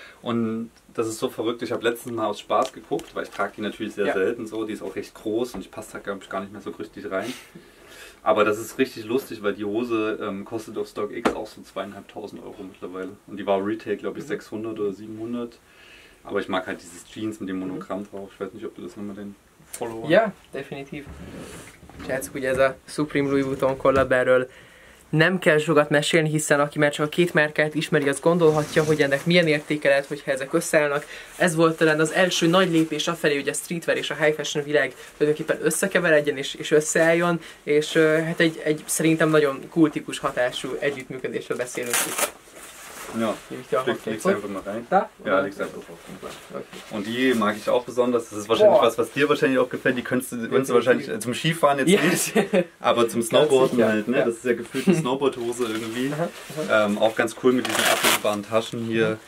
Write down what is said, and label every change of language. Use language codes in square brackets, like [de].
[de] Und das ist so verrückt, ich habe letztens mal aus Spaß geguckt, weil ich trage die natürlich sehr selten so, die ist auch recht groß und ich passe da glaube ich gar nicht mehr so richtig rein. Aber das ist richtig lustig, weil die Hose kostet auf StockX auch so 2.500 Euro mittlerweile. Und die war Retail glaube ich 600 oder 700. Aber ich mag halt dieses Jeans mit dem Monogramm drauf. Ich weiß nicht, ob du das nochmal den Follower... Ja, definitiv. [hu] Csak, hogy ez a Supreme Louis Vuitton kollab, erről nem kell sokat mesélni, hiszen aki már csak a két márkát ismeri, az gondolhatja, hogy ennek milyen értéke lehet, hogyha ezek összeállnak. Ez volt talán az első nagy lépés afelé, hogy a streetwear és a high fashion világ tulajdonképpen összekeveredjen és összeálljon, és hát egy szerintem nagyon kultikus hatású együttműködésről beszélünk itt. [de] Ja, legst einfach mal rein. Da? Ja, legst einfach drauf. Okay. Und die mag ich auch besonders. Das ist wahrscheinlich was dir wahrscheinlich auch gefällt. Die könntest du wahrscheinlich zum Skifahren jetzt nicht, aber zum Snowboarden halt. Ne? Ja. Das ist ja gefühlt eine Snowboardhose irgendwie. Auch ganz cool mit diesen abnehmbaren Taschen hier.